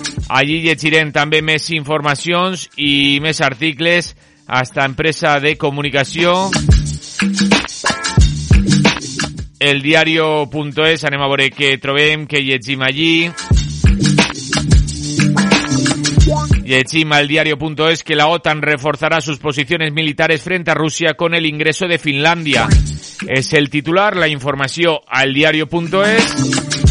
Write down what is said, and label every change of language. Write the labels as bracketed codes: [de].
[ca] Allí llegirem també més informacions i més articles a esta empresa de comunicació. El diario.es, anem a veure què trobem, què llegim allí. Llegim al diario.es que [es] la OTAN reforzará sus posiciones militares frente a Rusia con el ingreso de Finlandia. [ca] És el titular, la informació al diario.es.